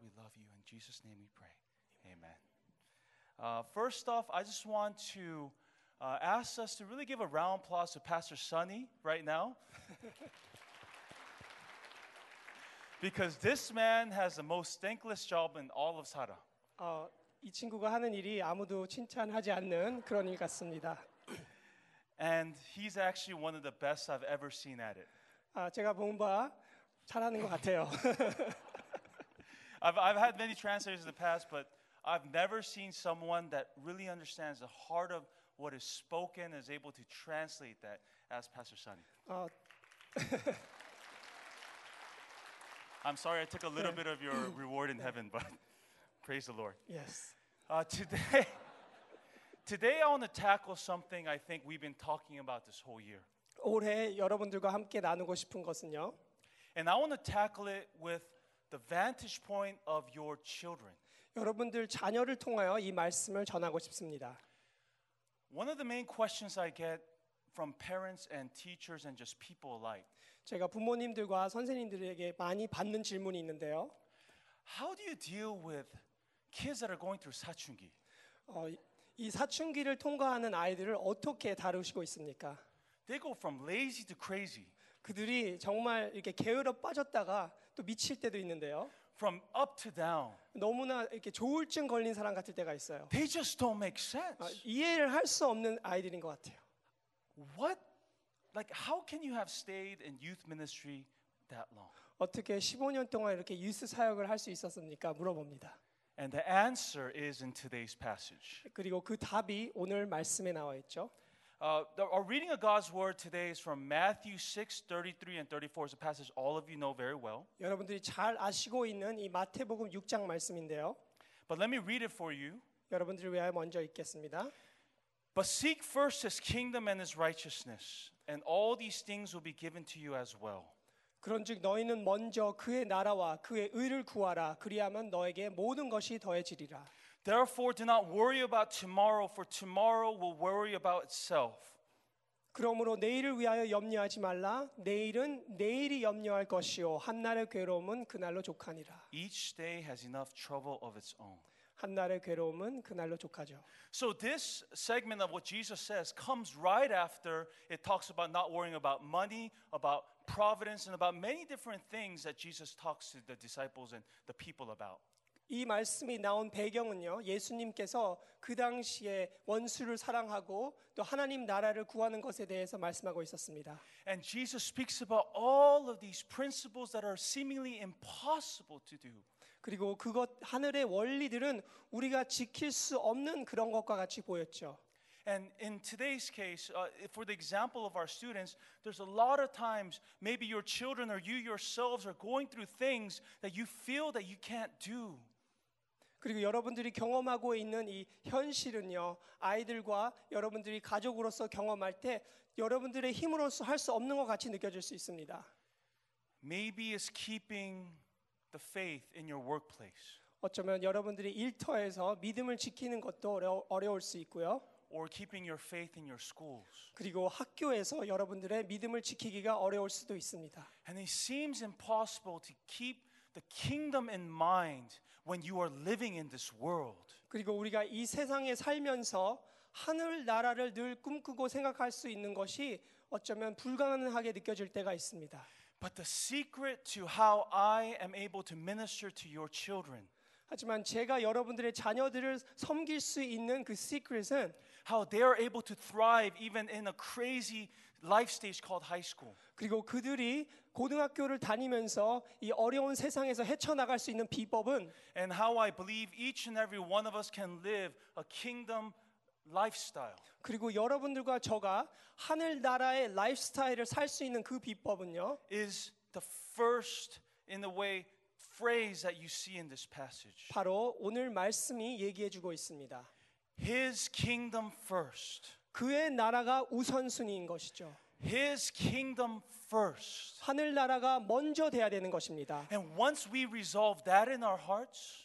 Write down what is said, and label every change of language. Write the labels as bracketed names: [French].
[English] We love you. In Jesus' name we pray. Amen. First off, I just want to ask us to really give a round of applause to Pastor Sunny right now. Because this man has the most thankless job in all of Sara. [Korean] 이 친구가 하는 일이 아무도 칭찬하지 않는 그런 일 같습니다. [English] And he's actually one of the best I've ever seen at it. [Korean] 아, 제가 본 바 잘하는 것 같아요. [English] I've had many translators in the past, but I've never seen someone that really understands the heart of what is spoken is able to translate that as Pastor Sunny. I'm sorry I took a little bit of your reward in heaven, but praise the Lord. Yes. Today I want to tackle something I think we've been talking about this whole year. [Korean] 올해 여러분들과 함께 나누고 싶은 것은요. [English] And I want to tackle it with the vantage point of your children. [Korean] 여러분들 자녀를 통하여 이 말씀을 전하고 싶습니다. [English] One of the main questions I get from parents and teachers and just people alike. [Korean] 제가 부모님들과 선생님들에게 많이 받는 질문이 있는데요. [English] How do you deal with kids that are going through 사춘기? [Korean] 이 사춘기를 통과하는 아이들을 어떻게 다루시고 있습니까? [English] They go from lazy to crazy. [Korean] 그들이 정말 이렇게 게으러 빠졌다가 또 미칠 때도 있는데요. [English] From up to down. [Korean] 너무나 이렇게 조울증 걸린 사람 같을 때가 있어요. [English] They just don't make sense. [Korean] 이해를 할 수 없는 아이들인 것 같아요. [English] What? Like how can you have stayed in youth ministry that long? [Korean] 어떻게 15년 동안 이렇게 유스 사역을 할 수 있었습니까? 물어봅니다. [English] And the answer is in today's passage. [Korean] 그리고 그 답이 오늘 말씀에 나와 있죠. [English] Our reading of God's word today is from Matthew 6:33 and 34. It's a passage all of you know very well. [Korean] 여러분들이 잘 아시고 있는 이 마태복음 6장 말씀인데요. [English] But let me read it for you. [Korean] 여러분들을 위하여 먼저 읽겠습니다. [English] But seek first his kingdom and his righteousness, and all these things will be given to you as well. [Korean] 그런즉 너희는 먼저 그의 나라와 그의 의를 구하라 그리하면 너에게 모든 것이 더해지리라. [English] Therefore do not worry about tomorrow for tomorrow will worry about itself. [Korean] 그러므로 내일을 위하여 염려하지 말라 내일은 내일이 염려할 것이요 한날의 괴로움은 그날로 족하니라. [English] Each day has enough trouble of its own. [Korean] 한날의 괴로움은 그날로 족하죠. [English] So this segment of what Jesus says comes right after it talks about not worrying about money, about providence and about many different things that Jesus talks to the disciples and the people about. [Korean] 이 말씀이 나온 배경은요. 예수님께서 그 당시에 원수를 사랑하고 또 하나님 나라를 구하는 것에 대해서 말씀하고 있었습니다. [English] And Jesus speaks about all of these principles that are seemingly impossible to do. [Korean] 그리고 그것 하늘의 원리들은 우리가 지킬 수 없는 그런 것과 같이 보였죠. [English] And in today's case, for the example of our students, there's a lot of times maybe your children or you yourselves are going through things that you feel that you can't do. [Korean] 그리고 여러분들이 경험하고 있는 이 현실은요, 아이들과 여러분들이 가족으로서 경험할 때 여러분들의 힘으로서 할 수 없는 것 같이 느껴질 수 있습니다. [English] Maybe it's keeping the faith in your workplace. [Korean] 어쩌면 여러분들이 일터에서 믿음을 지키는 것도 어려울 수 있고요. [English] Or keeping your faith in your schools. [Korean] 그리고 학교에서 여러분들의 믿음을 지키기가 어려울 수도 있습니다. [English] And it seems impossible to keep the kingdom in mind when you are living in this world. [Korean] 그리고 우리가 이 세상에 살면서 하늘 나라를 늘 꿈꾸고 생각할 수 있는 것이 어쩌면 불가능하게 느껴질 때가 있습니다. [English] But the secret to how I am able to minister to your children. [Korean] 하지만 제가 여러분들의 자녀들을 섬길 수 있는 그 시크릿은 [English] how they are able to thrive even in a crazy life stage called high school. [Korean] 그리고 그들이 고등학교를 다니면서 이 어려운 세상에서 헤쳐나갈 수 있는 비법은 [English] and how I believe each and every one of us can live a kingdom lifestyle. [Korean] 그리고 여러분들과 제가 하늘나라의 라이프스타일을 살 수 있는 그 비법은요 [English] is the first in the way phrase that you see in this passage. [Korean] 바로 오늘 말씀이 얘기해 주고 있습니다. [English] His kingdom first. [Korean] 그의 나라가 우선순위인 것이죠. [English] His kingdom first. [Korean] 하늘 나라가 먼저 돼야 되는 것입니다. [English] And once we resolve that in our hearts,